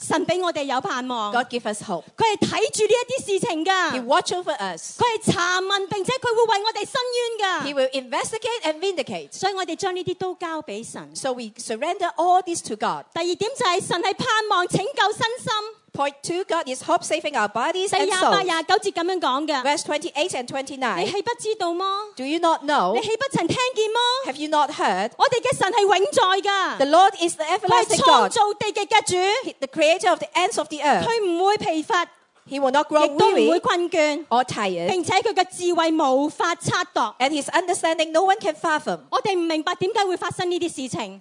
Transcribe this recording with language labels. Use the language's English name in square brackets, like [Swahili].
[Cantonese] 神俾我哋有盼望。 [English] God give us hope。 [Cantonese] 佢系睇住呢一啲事情噶。 [English] He watch over us。 [Cantonese] 佢系查问，并且佢会为我哋伸冤噶。 [English] He will investigate and vindicate。 [Cantonese] 所以我哋将呢啲都交俾神。 [English] So we surrender all this to God。 [Cantonese] 第二点就系神系盼望拯救身心。 [English] Point two, God is hope saving our bodies and souls. [Cantonese] 28-29 [English] Verse 28 and 29. [Cantonese] 你岂不知道么 [English] ？Do you not know？ [Cantonese] 你岂不曾听见么 [English] ？Have you not heard？ [Cantonese] 我哋嘅神系永在噶。 [English] The Lord is the everlasting God. [Cantonese] 佢系创造地嘅嘅主。 [English] The creator of the ends of the earth. [Cantonese] 佢唔会疲乏。 [English] He will not grow weary. [Cantonese] 亦都唔会困倦。 [English] Or tired. [Cantonese] 并且佢嘅智慧无法测度。 [English] And his understanding, no one can fathom. [Cantonese] 我哋唔明白点解会发生呢啲事情。